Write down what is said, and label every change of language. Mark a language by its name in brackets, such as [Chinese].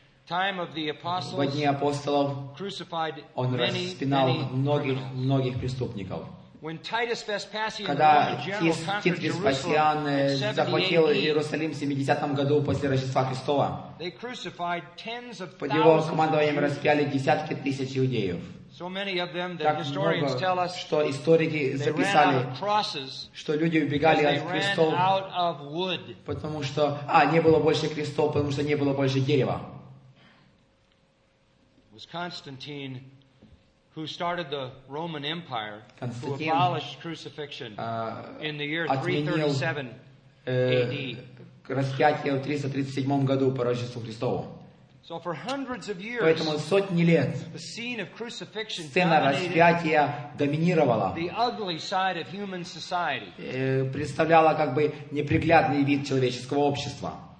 [Russian] В дни апостолов он распинал многих преступников. Когда Тит Веспасиан захватил Иерусалим в 70 году после Рождества Христова, под его командованием распяли десятки тысяч иудеев. [English] So many of them that historians tell us, [Russian] что историки записали, что люди убегали от крестов, потому что не было больше крестов, потому что не было больше дерева. [English] Константин, who started the Roman Empire, who abolished crucifixion in the year 337 AD. [Russian] Распятие в 337 году по Рождеству Христову. [English] So for hundreds of years, [Russian] поэтому сотни лет [English] the scene of crucifixion [Russian] сцена распятия доминировала, [English] the ugly side of human society. [Russian] Представляла как бы неприглядный вид человеческого общества.